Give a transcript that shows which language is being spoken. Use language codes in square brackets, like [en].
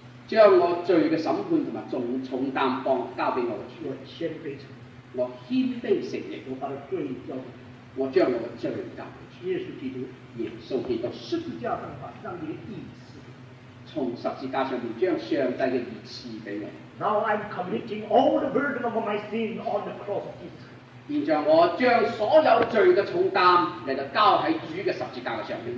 [zh] 将我罪的审判和重担放交给我的主。我谦卑承认，我谦卑承认，我把我的罪交给你，我将我的罪交给你。耶稣基督，耶稣基督，十字架上把上帝的意思，从十字架上面将上帝的意思给我。 [en] Now I'm committing all the burden of my sin on the cross of Jesus. [zh] 现在我将所有罪的重担来到交在主的十字架上面。